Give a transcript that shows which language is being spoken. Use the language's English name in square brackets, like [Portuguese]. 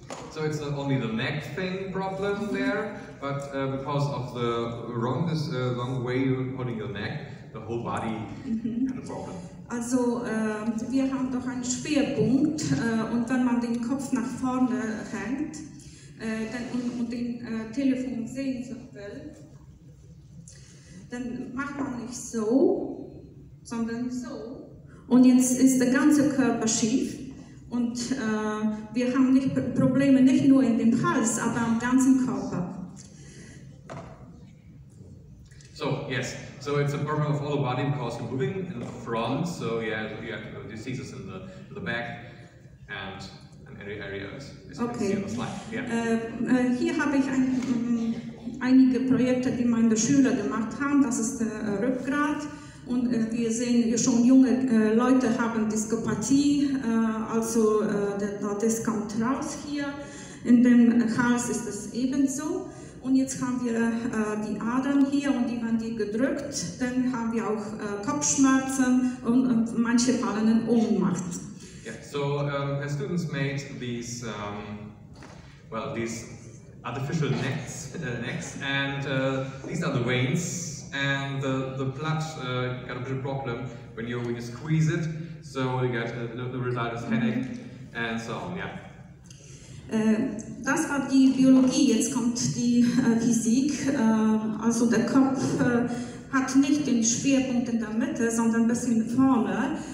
[English] so it's not only the neck thing problem there, but because of the wrong way you're holding your neck, the whole body kind of problem. [German] Also wir haben doch einen Schwerpunkt und wenn man den Kopf nach vorne hängt und den Telefon sehen will, dann macht man nicht so, sondern so. Und jetzt ist der ganze Körper schief und wir haben Probleme nicht nur in dem Hals, aber am ganzen Körper. [English] So, yes. So it's a problem of all the body because you're moving in the front, so yeah, you have diseases in the back and in any areas. Okay. Yeah. [German] Hier habe ich einige Projekte, die meine Schüler gemacht haben. Das ist der Rückgrat. Und wir sehen schon, junge Leute haben Diskopathie, also der Disc kommt raus hier. In dem Hals ist es ebenso. Und jetzt haben wir die Adern hier und die werden gedrückt. Dann haben wir auch Kopfschmerzen und manche fallen in Ohnmacht. [English] Yeah. So the students made these, these artificial necks, and these are the veins. And the blood got a bit of problem when you squeeze it. So you get the result is headache and so on. Yeah. [German] Das war die Biologie, jetzt kommt die Physik. Also der Kopf hat nicht den Schwerpunkt in der Mitte, sondern ein bisschen vorne.